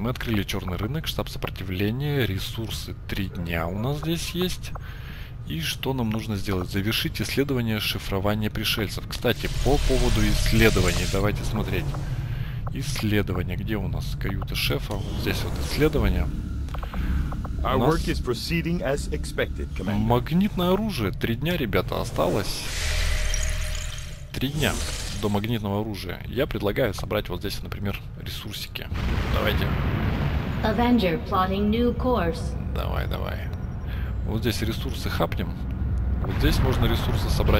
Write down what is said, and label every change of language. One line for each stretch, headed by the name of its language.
Russian: Мы открыли черный рынок, штаб сопротивления, ресурсы 3 дня у нас здесь есть. И что нам нужно сделать? Завершить исследование шифрования пришельцев. Кстати, по поводу исследований, давайте смотреть. Исследование, где у нас каюта шефа? Вот здесь вот исследование.
English: Our work is proceeding as expected, Commander.
Russian: Магнитное оружие. 3 дня, ребята, осталось. 3 дня до магнитного оружия. Я предлагаю собрать вот здесь, например, ресурсики. Давайте.
English: Avenger plotting new course.
Russian: Давай, давай. Вот здесь ресурсы хапнем. Вот здесь можно ресурсы